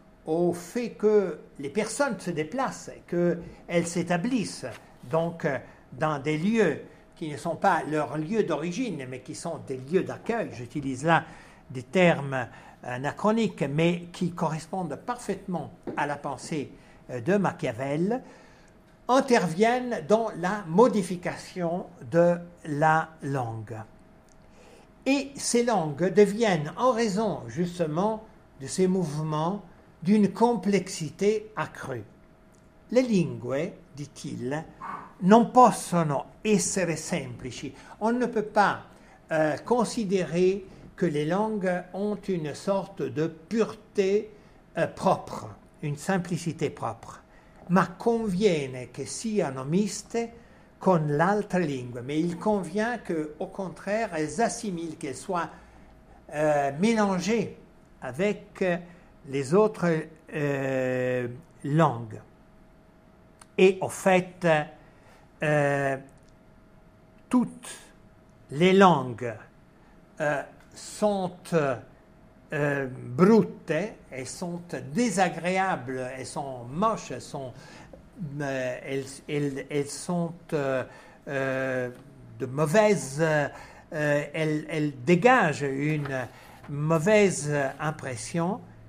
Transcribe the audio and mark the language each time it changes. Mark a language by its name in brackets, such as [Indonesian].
[French] au fait que les personnes se déplacent, qu'elles s'établissent donc dans des lieux qui ne sont pas leurs lieux d'origine, mais qui sont des lieux d'accueil, j'utilise là des termes anachroniques, mais qui correspondent parfaitement à la pensée de Machiavel, interviennent dans la modification de la langue. Et ces langues deviennent, en raison justement de ces mouvements, d'une complexité accrue. [Italian] Les lingue, [French] dit-il, [Italian] non possono essere semplici. [French] On ne peut pas considérer que les langues ont une sorte de pureté propre, une simplicité propre. [Italian] Ma conviene che siano miste con l'altra lingua. [French] Mais il convient qu'au contraire, elles assimilent, qu'elles soient mélangées avec les autres langues. Et au fait, toutes les langues sont brutes, elles sont désagréables, elles sont moches, elles sont de mauvaises, elles dégagent une mauvaise impression.